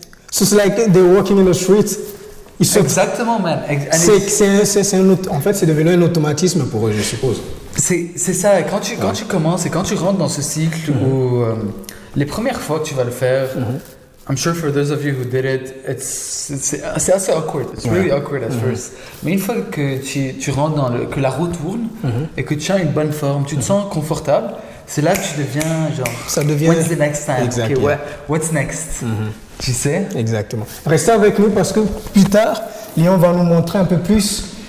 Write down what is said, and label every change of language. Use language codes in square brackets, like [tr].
[en] So it's like they're walking in the street. [fr] Exactement, man. C'est devenu un automatisme pour eux, je suppose. C'est ça. Quand tu commences et quand tu rentres dans ce cycle mm-hmm. où les premières fois que tu vas le faire, mm-hmm. [en] I'm sure for those of you who did it, [fr] c'est assez awkward. [en] It's really awkward at mm-hmm. first. [fr] Mais une fois que tu rentres dans que la roue tourne mm-hmm. et que tu as une bonne forme, tu te mm-hmm. sens confortable, c'est là que tu deviens genre... Ça devient... [en] What's the next time? Exactly. Okay, what's next? Mm-hmm. [fr] Tu sais? Exactement. Restez avec nous parce que plus tard, Léon va nous montrer un peu plus